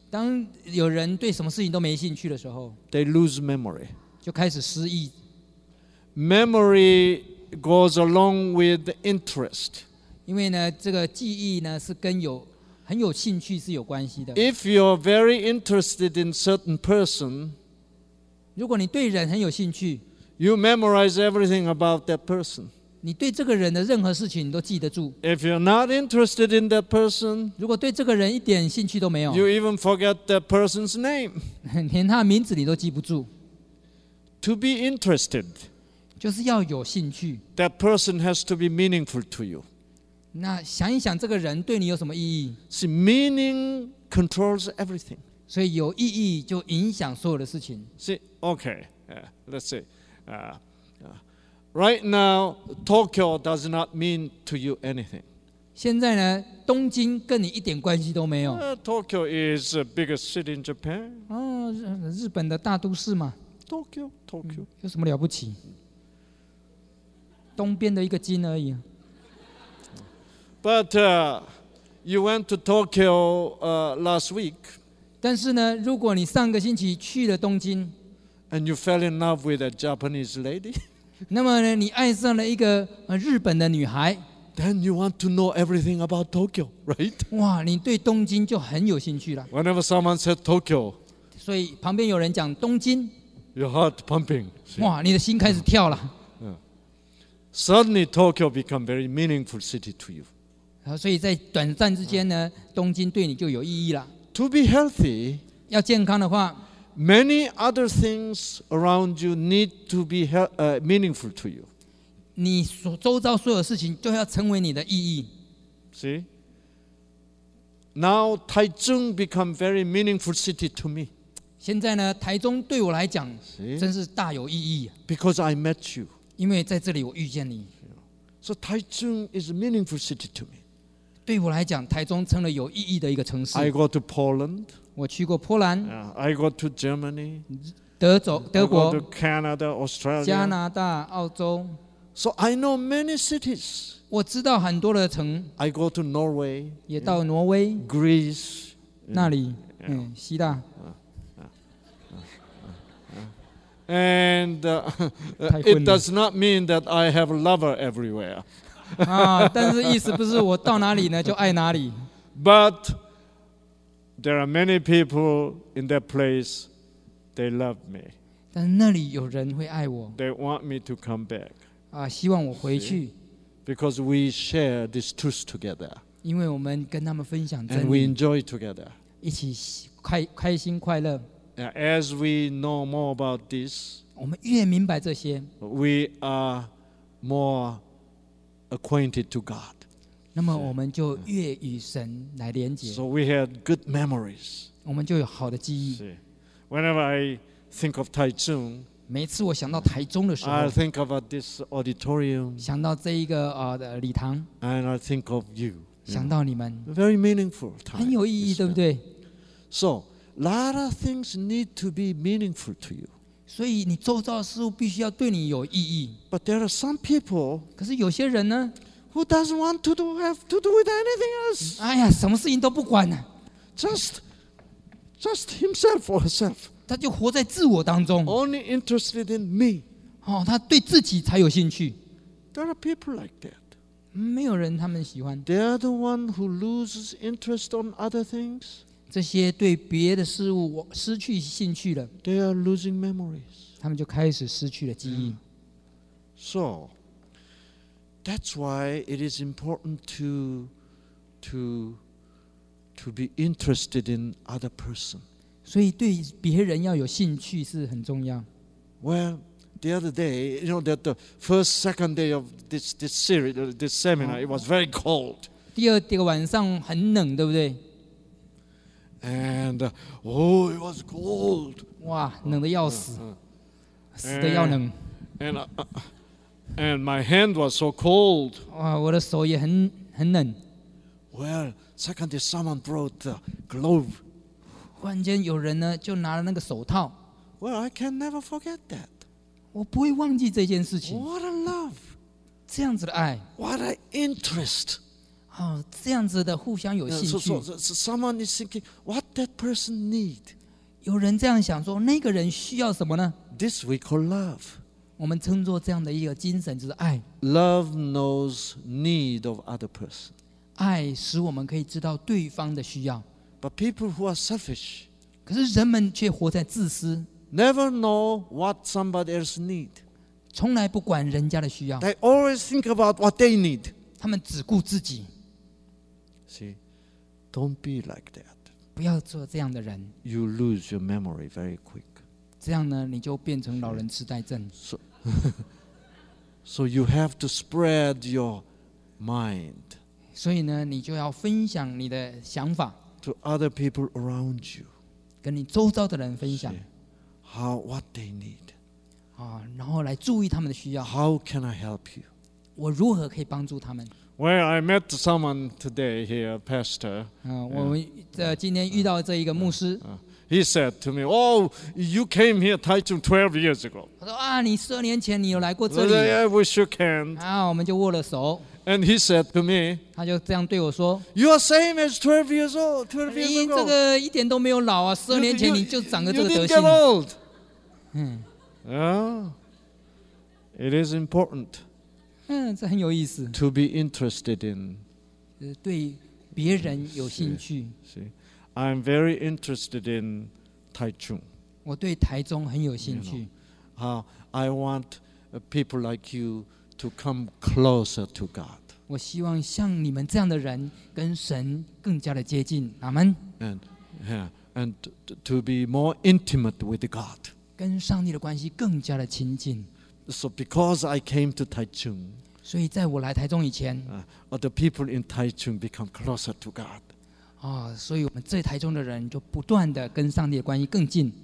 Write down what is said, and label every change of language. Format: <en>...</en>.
<zh>当有人对什么事情都没兴趣的时候</zh> <en>，they lose memory，</en> <zh>就开始失忆。</zh> <en>Memory goes along with interest，</en> <zh>因为呢，这个记忆呢是跟有很有兴趣是有关系的。</zh> <en>If you're very interested in certain person，</en> <zh>如果你对人很有兴趣。</zh> <en>You memorize everything about that person.</en> <zh>你对这个人的任何事情你都记得住。</zh> <en>If you're not interested in that person,</en> <zh>如果对这个人一点兴趣都没有。</zh> <en>You even forget that person's name.</en> <zh>连他的名字你都记不住。</zh> <en>To be interested,</en> <zh>就是要有兴趣。</zh> <en>That person has to be meaningful to you.</en> <zh>那想一想这个人对你有什么意义？</zh> <en>See, meaning controls everything.</en> <zh>所以有意义就影响所有的事情。</zh> <en>See, okay, let's see. Right now, Tokyo does not mean to you anything.</en> <zh>现在呢，东京跟你一点关系都没有。</zh> <en>Tokyo is the biggest city in Japan.</en> <zh>哦，日本的大都市嘛。 Tokyo.、嗯、有什么了不起？东边的一个京而已。</zh> <en>But you went to Tokyo last week.</en> <zh>但是呢，如果你上个星期去了东京。</zh> <en>And you fell in love with a Japanese lady.</en> <zh>那么呢，你爱上了一个日本的女孩。</zh> <en>Then you want to know everything about Tokyo, right?</en> <zh>哇，你对东京就很有兴趣了。</zh> <en>Whenever someone said Tokyo,</en> <zh>所以旁边有人讲东京</zh> <en>，your heart pumping.</en> <zh>哇，你的心开始跳了。</zh> <en>Suddenly, Tokyo become very meaningful city to you.</en> <zh>所以在短暂之间呢，东京对你就有意义了。</zh> <en>To be healthy,</en> <zh>要健康的话。</zh> <en>Many other things around you need to be meaningful to you.</en> <zh>你所周遭所有事情就要成为你的意义。</zh> <en>See? Now Taichung become very meaningful city to me.</en> <zh>现在呢，台中对我来讲真是大有意义。</zh> <en>Because I met you.</en> <zh>因为在这里我遇见你。</zh> <en>So Taichung is a meaningful city to me.</en> <zh>对我来讲，台中成了有意义的一个城市。</zh> <en>I go to Poland.</en> <zh>我去过波兰</zh> <en>yeah, I go to Germany,</en> <zh>德国</zh> <en>I go to Canada, Australia,</en> <zh>加拿大澳洲</zh> <en>So I know many cities</en> <zh>我知道很多的城</zh> <en>I go to Norway</en> <zh>也到挪威 yeah,</zh> <en>Greece</en> <zh>那里 yeah, yeah, 希腊</zh> <en>And it does not mean that I have a lover everywhere</en> <zh>但是意思不是我到哪里呢就爱哪里</zh> <en>ButThere are many people in that place. They love me.</en> <zh>但那里有人会爱我。</zh> <en>They want me to come back.</en> <zh>希望我回去。</zh> <en>Because we share this truth together.</en> <zh>因为我们跟他们分享真理。</zh> <en>And we enjoy together.</en> <zh>一起开心快乐。</zh> <en>As we know more about this,</en> <zh>我们越明白这些。</zh> <en>We are more acquainted to God.</en> <zh>那么我们就越与神来连接。</zh> <en>So we had good memories.</en> <zh>我们就有好的记忆。</zh> <en>Whenever I think of Taichung,</en> <zh>每次我想到台中的时候</zh> <en>，I think about this auditorium.</en> <zh>想到这一个礼堂。</zh> <en>And I think of you.</en> <zh>想到你们。</zh> <en>Very meaningful time.</en> <zh>很有意义，对不对</zh> <en>？So a lot of things need to be meaningful to you.</en> <zh>所以你周遭事物必须要对你有意义。</zh> <en>But there are some people.</en> <zh>可是有些人呢？</zh> <en>Who doesn't want to do, have to do with anything else?</en> <zh>哎呀，什么事情都不管呢、啊、</zh> <en>Just himself or herself.</en> <zh>他就活在自我当中。</zh> <en>Only interested in me.</en> <zh>哦，他对自己才有兴趣。</zh> <en>There are people like that.</en> <zh>没有人他们喜欢。</zh> <en>They are the one who loses interest on other things.</en> <zh>这些对别的事物失去兴趣了。</zh> <en>They are losing memories.</en> <zh>他们就开始失去了记忆。</zh> <en>So. That's why it is important to be interested in other person.</en> <zh>所以对别人要有兴趣是很重要。</zh> <en>Well, the other day, you know that the first, second day of this series, this seminar, it was very cold.</en> <zh>第二个晚上很冷，对不对</zh> <en>？And oh, it was cold.</en> <zh>哇，冷得要死，死得要冷。</zh> <en>And my hand was so cold.</en> <zh>哇，我的手也很冷。</zh> <en>Well, suddenly someone brought the glove.</en> <zh>忽然间有人呢就拿了那个手套。</zh> <en>Well, I can never forget that.</en> <zh>我不会忘记这件事情。</zh> <en>What a love！</en> <zh>这样子的爱。</zh> <en>What an interest！</en> <zh>哦，这样子的互相有兴趣。</zh> <en>So someone is thinking what that person need。</en> <zh>有人这样想说，那个人需要什么呢</zh> <en>？This we call love。</en> <zh>我们称作这样的一个精神就是爱。</zh> <en>Love knows need of other person。</en> <zh>爱使我们可以知道对方的需要。</zh> <en>But people who are selfish，</en> <zh>可是人们却活在自私。</zh> <en>Never know what somebody else need，</en> <zh>从来不管人家的需要。</zh> <en>They always think about what they need，</en> <zh>他们只顾自己。</zh> <en>See， don't be like that，</en> <zh>不要做这样的人。</zh> <en>You lose your memory very quick，</en> <zh>这样呢，你就变成老人痴呆症。</zh> <en>So you have to spread your mind，</en> <zh>所以呢，你就要分享你的想法。</zh> <en>To other people around you，</en> <zh>跟你周遭的人分享。</zh> <en>How what they need，</en> <zh>啊，然后来注意他们的需要。</zh> <en>How can I help you？</en> <zh>我如何可以帮助他们</zh> <en>？Well, I met someone today here, pastor.</en> <zh>我们今天遇到这一个牧师。</zh> <en>He said to me, "Oh, you came here Taichung 12 years ago."</en> <zh>他说啊，你十年前你有来过这里。</zh> <en>Yeah, we shook hands.</en> <zh>啊，我们就握了手。</zh> <en>And he said to me，</en> <zh>他就这样对我说</zh> <en>，You are same as 12 years old. 12 years ago，</en> <zh>你这个一点都没有老啊！十二年前你就长个这个德性。</zh> <en>You didn't get old. It is important.</en> <zh>这很有意思。</zh> <en>To be interested in，</en> <zh>对别人有兴趣。</zh> <en>See, I'm very interested in Taichung.</en> <zh>我对台中很有兴趣。</zh> <en>好 ，I want people like you。To come closer to God.</en> <zh>我希望像你们这样的人跟神更加的接近。阿们。</zh> <en>And yeah, and to be more intimate with God.</en> <zh>跟上帝的关系更加的亲近。</zh> <en>So because I came to Taichung.</en> <zh>所以在我来台中以前。</zh> <en>The people in Taichung become closer to God.</en> <zh>啊，所以我们在台中的人就不断的跟上帝的关系更近。</zh>